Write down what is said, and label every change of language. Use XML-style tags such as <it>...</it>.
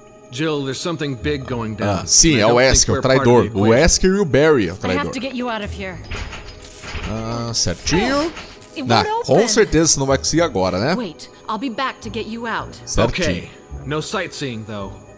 <en>Jill, there's something big going down.</en> <pt>Sim, é o Wesker, o traidor. O Wesker e o Barry, o traidor.</pt> <en>I have to get you out of here.</en> <pt>Certinho. Com certeza você não vai conseguir agora, né?</pt> <en>Wait, I'll be back to get you out.</en> <pt>Certinho.</pt> <en>Okay. No sightseeing, though.</en>